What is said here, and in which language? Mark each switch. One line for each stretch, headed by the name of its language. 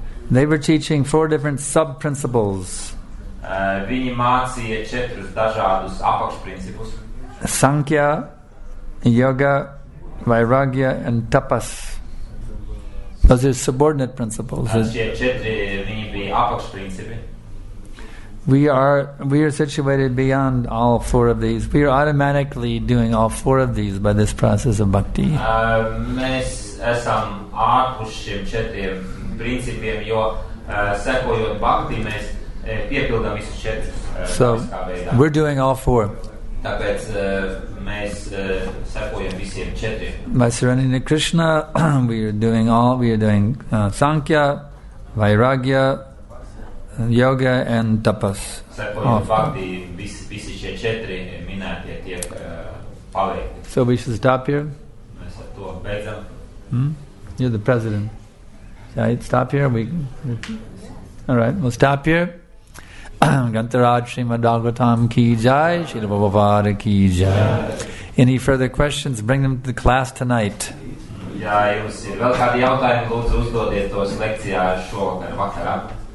English: They were teaching four different sub-principles.
Latvian: Viņi mācīja četrus dažādus apakšprincipus.
English: Sankhya, Yoga, Vairagya and Tapas. Those are subordinate principles.
Latvian: Viņi bija apakšprincipi.
English: We are situated beyond all four of these. We are automatically doing all four of these by this process of bhakti.
Latvian: Mēs esam ārpus šiem četriem principiem, jo sekojot bhakti, mēs piepildām visus četrus.
English: So, we're doing all four.
Latvian: Tāpēc mēs sekojam visiem četriem.
English: By surrendering to Krishna, we are doing Sankhya, Vairagya, Yoga and Tapas.
Latvian: Sekojot bhakti, visi šie četri minētie tiek paveikti.
English: So we should stop here?
Latvian: Mēs ar to beidzam.
English: You're the president. Right, stop here. All right, we'll stop here.
Hindi: Gantaraj Srimad Bhagavatam ki jai, Srila Prabhupada ki jai.
English: Any further questions, bring them to the class tonight.
Latvian: Yeah, jūs ir vēl kādi jautājumi, lūdzu uzdodiet tos lekcijā šogad vakarā.